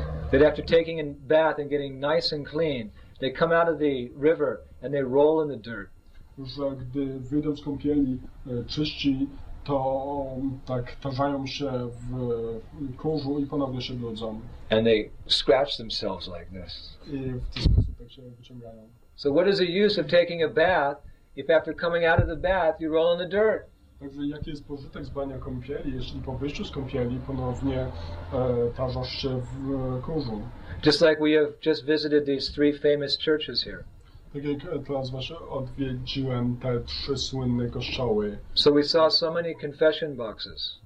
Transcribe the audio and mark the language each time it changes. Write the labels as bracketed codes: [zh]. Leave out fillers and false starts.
[en] That after taking a bath and getting nice and clean, they come out of the river and they roll in the dirt. [pl] Że gdy wyjdą z kąpieli czyści, to tak tarzają się w kurzu i ponownie się brudzą. [en] And they scratch themselves like this. [pl] I w ten sposób tak się wyciągają. [en] So what is the use of taking a bath if after coming out of the bath you roll in the dirt? [pl] Także jaki jest pożytek z bania kąpieli, jeśli po wyjściu z kąpieli ponownie tarzasz się w kurzu? [en] Just like we have just visited these three famous churches here. [pl] Tak jak teraz właśnie odwiedziłem te trzy słynne kościoły. [en] So we saw so many confession boxes.